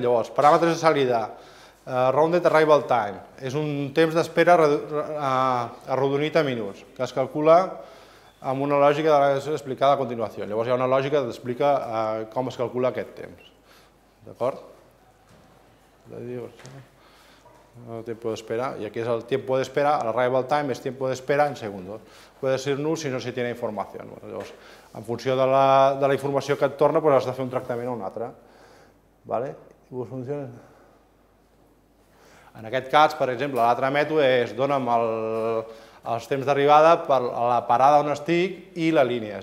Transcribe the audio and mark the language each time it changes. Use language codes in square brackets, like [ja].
[ca] Llavors, paràmetres de salida, rounded arrival time, és un temps d'espera arrodonit a minuts, que es calcula amb una lògica de la que s'explica a continuació. Llavors hi ha una lògica que t'explica com es calcula aquest temps. D'acord? [es] El tiempo de espera, y aquí es el tiempo de espera, el arrival time es tiempo de espera en segundos. Puede ser nul si no se tiene información. [ca] Bueno, llavors, en funció de la informació que et torna, pues has de fer un tractament o un altre. ¿Vale? [es] ¿Y vos funciones? [ca] En aquest cas, per exemple, l'altre mètode és dona'm els temps d'arribada per la parada on estic i la línia.